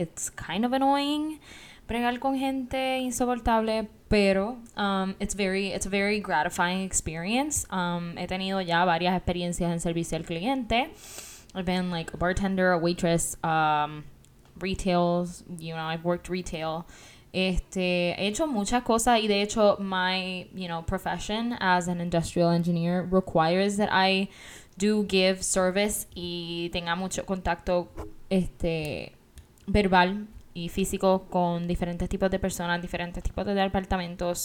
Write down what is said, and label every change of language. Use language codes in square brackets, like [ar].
[en] It's kind of annoying [es] bregar con gente insoportable, pero [en] it's a very gratifying experience. [es] He tenido ya varias experiencias en servicio al cliente. [en] I've been like a bartender, a waitress, retails, you know, I've worked retail. [es] He hecho muchas cosas, y de hecho [en] my, you know, profession as an industrial engineer requires that I do give service [es] y tenga mucho contacto verbal y físico con diferentes tipos de personas, diferentes tipos de departamentos.